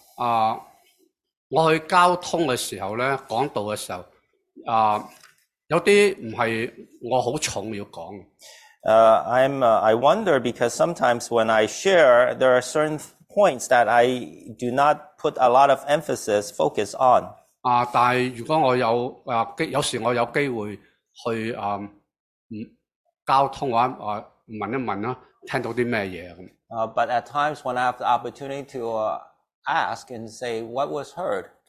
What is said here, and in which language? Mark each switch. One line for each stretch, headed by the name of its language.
Cantonese: 啊，我去交通嘅时候咧，讲道嘅时候，啊，有啲唔系我好重要讲。
English: I wonder because sometimes when I share, there are certain points that I do not put a lot of emphasis, focus on.
Cantonese: 啊，但系如果我有啊机，有时我有机会去啊，交通嘅话，啊问一问啦，听到啲咩嘢咁。
English: But at times when I have the opportunity to ask and say what was heard.